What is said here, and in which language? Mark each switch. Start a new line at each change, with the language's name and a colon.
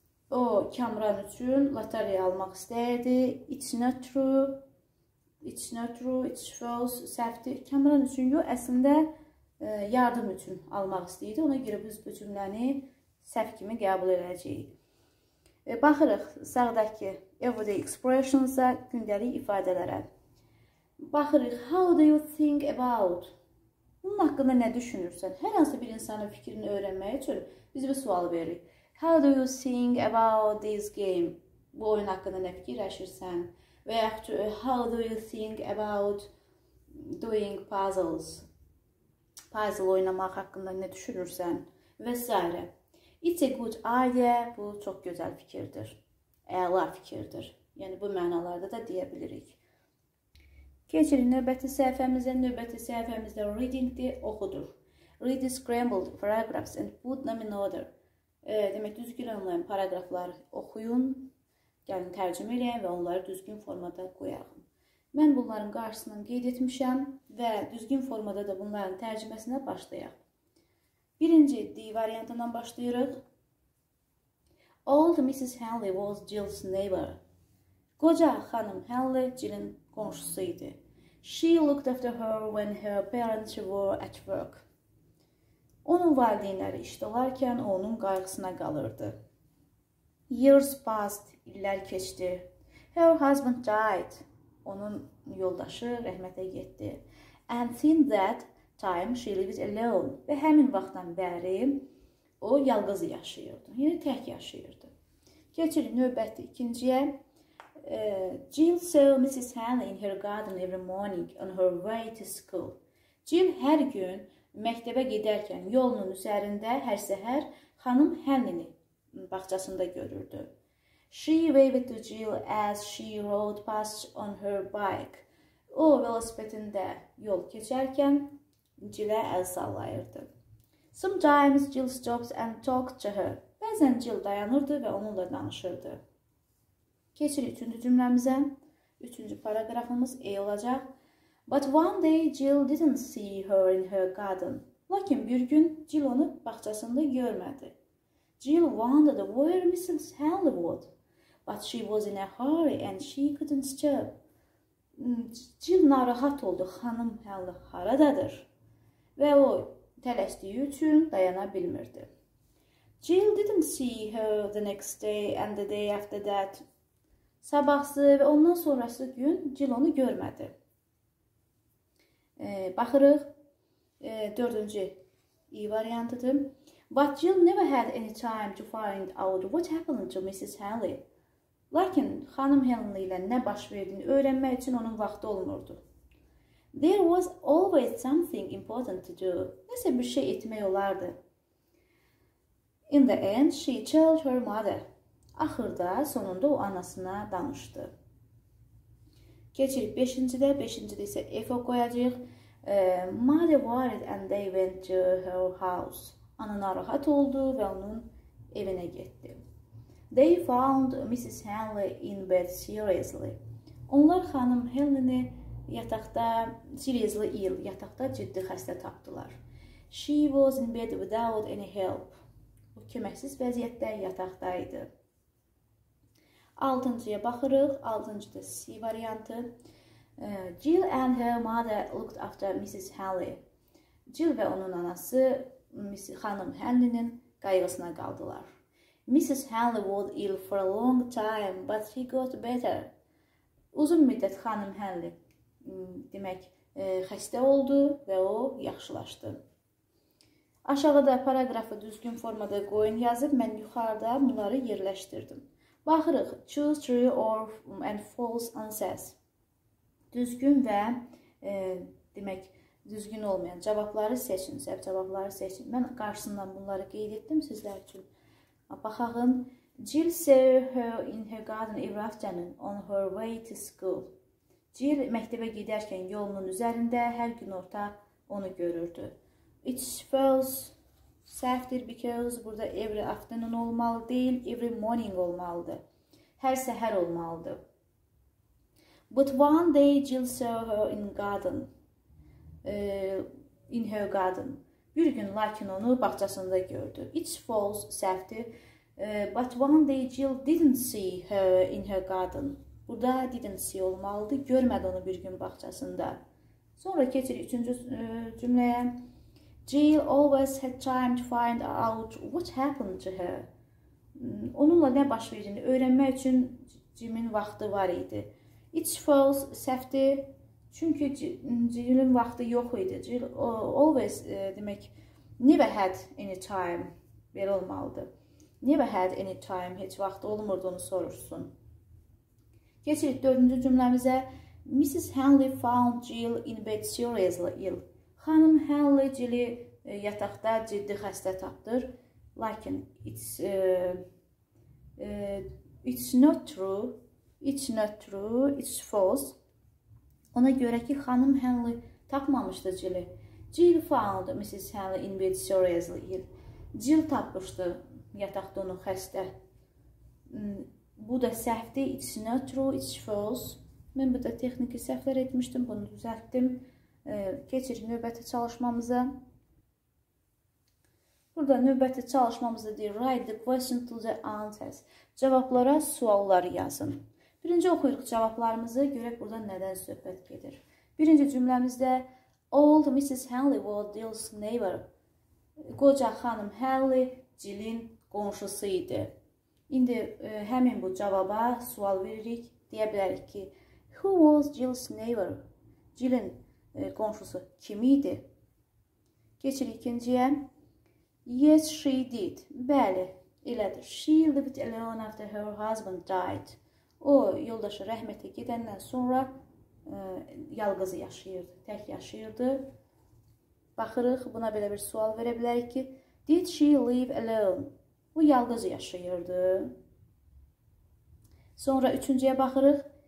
Azerbaijani: O, Cameron üçün lotereya almaq istəyirdi.
English: It's not true. It's not true. It's false.
Azerbaijani: Səhvdir. Cameron üçün yox. Əslində, yardım üçün almaq istəyirdi. Ona görə biz bu cümləni səhv kimi qəbul edəcəyik. Baxırıq sağdakı
English: everyday expressions-
Azerbaijani: a, gündəlik ifadələrə. Baxırıq,
English: how do you think about?
Azerbaijani: Bunun haqqında nə düşünürsən? Hər hansı bir insanın fikrini öyrənmək üçün biz bir sual veririk.
English: How do you think about this game?
Azerbaijani: Bu oyun haqqında nə fikirləşirsən? Və yaxud,
English: how do you think about doing puzzles?
Azerbaijani: Puzzle oynamaq haqqında nə düşünürsən? Və s.
English: It's a good idea.
Azerbaijani: Bu çox gözəl fikirdir. Əla fikirdir. Yəni, bu mənalarda da deyə bilirik. Keçirin növbəti səhifəmizə. Növbəti səhifəmizdə reading-dir, oxudur.
English: Read scrambled paragraphs and put them in order.
Azerbaijani: Demək, düzgün anlayan paragrafları oxuyun, gəlin tərcüm eləyin və onları düzgün formada qoyaqın. Mən bunların qarşısından qeyd etmişəm və düzgün formada da bunların tərcüməsinə başlayaq. Birinci D variantından başlayırıq.
English: Old Mrs. Henley was Jill's neighbor.
Azerbaijani: Qoca xanım Henley Jill'in qonşusu idi.
English: She looked after her when her parents were at work.
Azerbaijani: Onun valideynləri işdə olarkən onun qayğısına qalırdı.
English: Years passed,
Azerbaijani: illər keçdi.
English: Her husband died.
Azerbaijani: Onun yoldaşı rəhmətə getdi.
English: And since that time she lived alone.
Azerbaijani: Və həmin vaxtdan bəri o yalqız yaşayırdı. Yəni tək yaşayırdı. Keçirik növbəti ikinciyə.
English: Jill saw Mrs. Henley in her garden every morning on her way to school.
Azerbaijani: Jill hər gün məktəbə gedərkən yolunun üzərində hər səhər xanım Henley'ni bağçasında görürdü.
English: She waved to Jill as she rode past on her bike.
Azerbaijani: O, velosipedində yol keçərkən Jill'ə əl sallayırdı.
English: Sometimes Jill stopped and talked to her.
Azerbaijani: Bəzən Jill dayanırdı və onunla danışırdı. Keçirik üçüncü cümləmizə. Üçüncü paragrafımız E olacaq.
English: But one day Jill didn't see her in her garden.
Azerbaijani: Lakin bir gün Jill onu bağçasında görmədi.
English: Jill wondered where Mrs. Henley was. But she was in a hurry and she couldn't stop.
Azerbaijani: Jill narahat oldu. Xanım Henley haradadır? Və o tələsdiyi üçün dayana bilmirdi.
English: Jill didn't see her the next day and the day after that.
Azerbaijani: Sabahsı və ondan sonrası gün Jill onu görmədi. Baxırıq, dördüncü E variantıdır.
English: But Jill never had any time to find out what happened to Mrs. Henley.
Azerbaijani: Lakin xanım Henley ilə nə baş verdiyini öyrənmək üçün onun vaxtı olmurdu.
English: There was always something important to do.
Azerbaijani: Nəsə bir şey etmək olardı.
English: In the end, she told her mother.
Azerbaijani: Axırda, sonunda o anasına danışdı. Keçirik 5-ci də. 5-ci də isə F qoyacaq.
English: Mother worried and they went to her house.
Azerbaijani: Ana narahat oldu və onun evinə getdi.
English: They found Mrs. Henley in bed seriously.
Azerbaijani: Onlar xanım Henley'ni yataqda,
English: seriously ill,
Azerbaijani: yataqda ciddi xəstə tapdılar.
English: She was in bed without any help.
Azerbaijani: O, köməksiz vəziyyətdə yataqdaydı. 6-cıya baxırıq. 6-cı da C variantı.
English: Jill and her mother looked after Mrs.
Azerbaijani: Henley. Jill və onun anası xanım Henley'nin qayğısına qaldılar.
English: Mrs. Henley was ill for a long time, but she got better.
Azerbaijani: Uzun müddət xanım Henley, demək, xəstə oldu və o yaxşılaşdı. Aşağıda paraqrafı düzgün formada qoyun yazıb, mən yuxarıda bunları yerləşdirdim. Baxırıq,
English: choose true or and false answers.
Azerbaijani: Düzgün və demək, düzgün olmayan cavabları seçin, səhv cavabları seçin. Mən qarşısından bunları qeyd etdim sizlər üçün. Baxağın,
English: Jill saw her in her garden every afternoon on her way to school.
Azerbaijani: Jill məktəbə gedərkən yolunun üzərində hər gün orta onu görürdü.
English: It's false,
Azerbaijani: səhvdir,
English: because
Azerbaijani: burada
English: every afternoon
Azerbaijani: olmalı deyil,
English: every morning
Azerbaijani: olmalıdır. Hər səhər olmalıdır.
English: But one day Jill saw her in garden. In her garden.
Azerbaijani: Bir gün lakin onu bağçasında gördü.
English: It's false,
Azerbaijani: səhvdir.
English: But one day Jill didn't see her in her garden.
Azerbaijani: Burada
English: didn't see
Azerbaijani: olmalıdır. Görmədi onu bir gün bağçasında. Sonra keçirik üçüncü cümləyə.
English: Jill always had time to find out what happened to her.
Azerbaijani: Onunla nə baş verdiğini öyrənmək üçün Jim'in vaxtı var idi. It's false, səhvdir. Çünki Jill'in vaxtı yox idi.
English: Jill always,
Azerbaijani: demək,
English: never had any time,
Azerbaijani: belə olmalıdır.
English: Never had any time,
Azerbaijani: heç vaxtı olmurdu onu sorursun. Keçirik dördüncü cümləmizə.
English: Mrs.
Azerbaijani: Henley found Jill in bed seriously ill. Xanım Henley Jill'i yataqda ciddi xəstə tapdır. Lakin
English: it's not true, it's not true, it's false.
Azerbaijani: Ona görə ki, xanım Henley tapmamışdı Jill'i.
English: Jill found Mrs. Henley in bed seriously ill.
Azerbaijani: Jill tapmışdı yataqda onu xəstə. Bu da səhvdir.
English: It's not true, it's false.
Azerbaijani: Mən burada texniki səhvlər etmişdim, bunu düzəltdim. Keçirik növbəti çalışmamıza. Burada növbəti çalışmamızda deyir,
English: write the question to the answers.
Azerbaijani: Cavablara suallar yazın. Birinci oxuyuruq cavablarımızı, görək burada nədən söhbət gedir. Birinci cümləmizdə Old Mrs.
English: Henley was Jill's neighbor.
Azerbaijani: Qoca xanım Henley Jill'in qonşusu idi. İndi həmin bu cavaba sual veririk. Deyə bilərik ki,
English: Who was Jill's neighbor?
Azerbaijani: Jill'in qonşusu kim idi? Keçirik ikinciyə.
English: Yes, she did.
Azerbaijani: Bəli, elədir.
English: She lived alone after her husband died.
Azerbaijani: O, yoldaşı rəhmətə gedəndən sonra yalqızı yaşayırdı, tək yaşayırdı. Baxırıq, buna belə bir sual verə bilərik ki,
English: Did she live alone?
Azerbaijani: O, yalqızı yaşayırdı. Sonra üçüncüyə baxırıq.